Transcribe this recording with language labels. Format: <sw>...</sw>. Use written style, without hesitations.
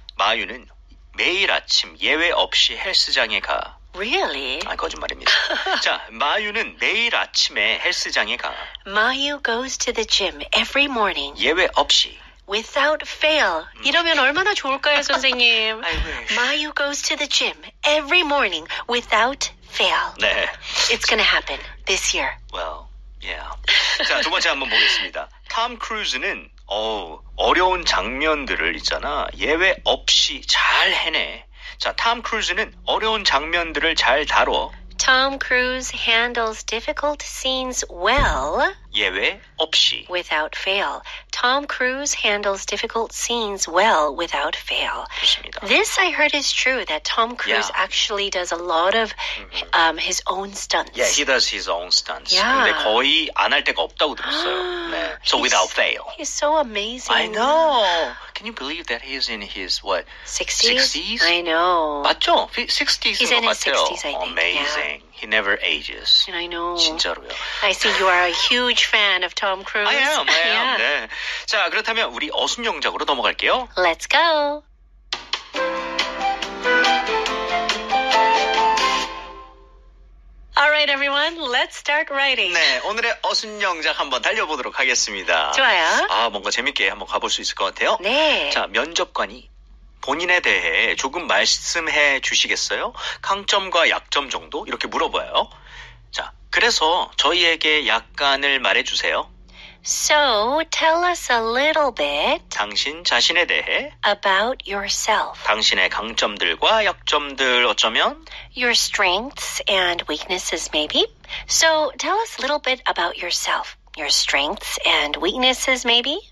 <ko>마유는 매일 아침 예외 없이 헬스장에 가.</ko> <en>Really?</en> <ko>아, 거짓말입니다. 자, 마유는 매일 아침에 헬스장에 가.</ko> <en>Mayu goes to the gym every morning.</en> <ko>예외 없이.</ko> <en>Without fail.</en> <ko>이러면 얼마나 좋을까요, 선생님?</ko> <en>Mayu goes to the gym every morning without fail.</en> <ko>네.</ko> <en>It's gonna happen this year. Well,</en> <ko>자, 두 번째 한번 보겠습니다. 톰 크루즈는 어려운 장면들을 있잖아 예외 없이 잘 해내. 자, 톰 크루즈는 어려운 장면들을 잘 다뤄.</ko> <en>Tom Cruise handles difficult scenes well.</en> <ko>예외 없이.</ko> <en>Without fail. Tom Cruise handles difficult scenes well without fail.</en> <ko>그렇습니다.</ko> <en>This I heard is true that Tom Cruise actually does a lot of his own stunts. Yeah, he does his own stunts. Yeah.</en> <ko>근데 거의 안 할 때가 없다고 들었어요. 네.</ko> <en>So without fail. He's so amazing. I know. Can you believe that he's in his what? 60s? 60s? I know.</en> <ko>맞죠? 60s.</ko> <en>He's in his 60s, I think. Amazing. Yeah. He never ages. I know.</en> <ko>진짜로요.</ko> <en>I see you are a huge fan of Tom Cruise. I am, I am. Yeah.</en> <ko>네. 자, 그렇다면 우리 어순영작으로 넘어갈게요.</ko> <en>Let's go.</en> <ko>네, 오늘의 어순영작 한번 달려보도록 하겠습니다. 좋아요. 아, 뭔가 재밌게 한번 가볼 수 있을 것 같아요. 네. 자, 면접관이 본인에 대해 조금 말씀해 주시겠어요? 강점과 약점 정도? 이렇게 물어봐요. 자, 그래서 저희에게 약간을 말해주세요.</ko> <en>So, tell us a little bit</en> <ko>당신 자신에 대해</ko> <en>about yourself</en> <ko>당신의 강점들과 약점들 어쩌면</ko> <en>your strengths and weaknesses maybe So, tell us a little bit about yourself your strengths and weaknesses maybe</en>